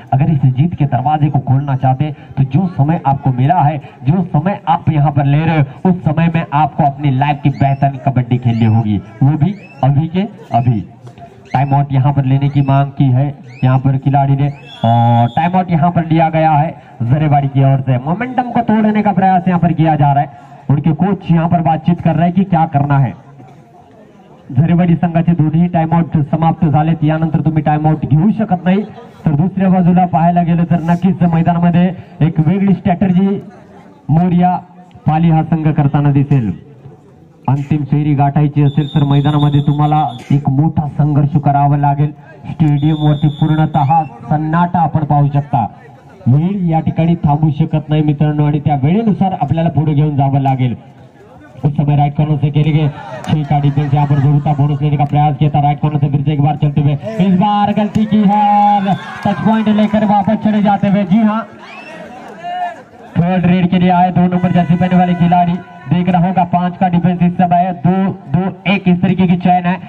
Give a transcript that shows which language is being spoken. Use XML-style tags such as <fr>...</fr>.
<hi>अगर इस जीत के दरवाजे को खोलना चाहते तो जो समय आपको मिला है, जो समय आप यहाँ पर ले रहे हो, उस समय में आपको अपनी लाइफ की बेहतरीन कबड्डी खेलनी होगी, वो भी अभी के अभी। टाइम आउट यहाँ पर लेने की मांग की है यहाँ पर खिलाड़ी ने, और टाइम आउट यहाँ पर लिया गया है झरेवाड़ी की ओर से। मोमेंटम को तोड़ने का प्रयास यहाँ पर किया जा रहा है, उनके कोच यहाँ पर बातचीत कर रहे हैं कि क्या करना है।</hi> <mr>झरेवाड़ी संघाचे दोन्ही टाइम आउट समाप्त झाले, त्यानंतर तुम्ही टाइम आउट घेऊ शकत नाही। तर दुसऱ्या बाजूला पाहायला गेलं तर नक्कीच मैदान मध्ये एक वेगळी स्ट्रॅटेजी मोरिया पाली हा संघ करताना दिसेल। अंतिम फेरी गाठायची असेल तर मैदानामध्ये तुम्हाला एक मोठा संघर्ष करावा लागेल, स्टेडियम वरती पूर्णतः सन्नाटा आपण पाहू शकता, वेळ या ठिकाणी थांबू शकत नाही मित्रांनो, आणि त्या वेळेनुसार आपल्याला पुढे घेऊन जावं लागेल।</mr> <hi>उस समय राइट कॉर्नर से खेलेंगे, छह का डिफेंस यहाँ पर जरूरत, बोनस लेने का प्रयास किया था राइट कॉर्नर से, फिर से एक बार चलते हुए इस बार गलती की है, टच पॉइंट लेकर वापस चले जाते हुए। जी हाँ, थर्ड रेड के लिए आए दोनों पर जैसे पहने वाले खिलाड़ी, देख रहा होगा पांच का डिफेंस इस समय, दो दो एक इस तरीके की चयन है।</hi>